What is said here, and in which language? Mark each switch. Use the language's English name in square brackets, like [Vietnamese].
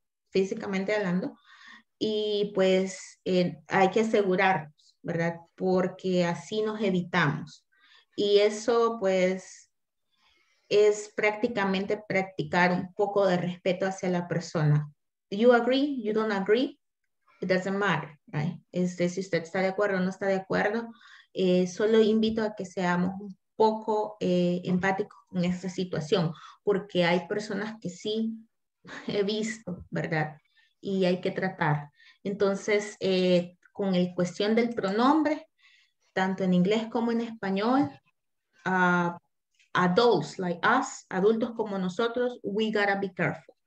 [Spanish] Físicamente hablando. Y pues hay que asegurarnos, ¿verdad? Porque así nos evitamos. Y eso pues es prácticamente practicar un poco de respeto hacia la persona. [English] You agree, you don't agree, it doesn't matter, right? [Spanish] Si usted está de acuerdo o no está de acuerdo, solo invito a que seamos un poco empáticos en esta situación. Porque hay personas que sí he visto, ¿verdad? Y hay que tratar. Entonces, con la cuestión del pronombre, tanto en inglés como en español, [English] adults like us, [Spanish] adultos como nosotros, [English] we gotta be careful.